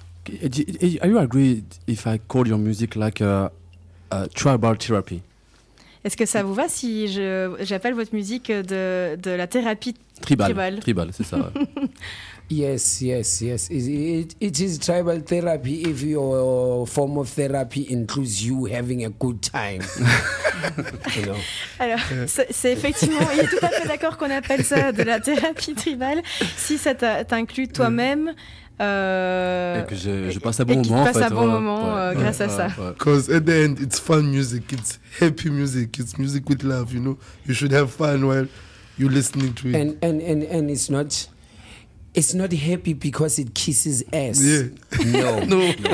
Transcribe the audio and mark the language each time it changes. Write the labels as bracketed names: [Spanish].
[English] Are you agree if I call your music like tribal therapy? [French] Est-ce que ça vous va si j'appelle votre musique de la thérapie tribale? Tribal, c'est ça. [English] Yes. It is tribal therapy if your form of therapy includes you having a good time. You know. [French] Alors, c'est effectivement, il est tout à fait d'accord qu'on appelle ça de la thérapie tribale si ça t'inclut toi-même. Et que je passe un bon moment. Et qu'il passe en fait, un bon moment grâce à ça. [English] Because at the end, it's fun music, it's happy music, it's music with love. You know, you should have fun while you're listening to it. And it's not happy because it kisses ass. Yeah. No.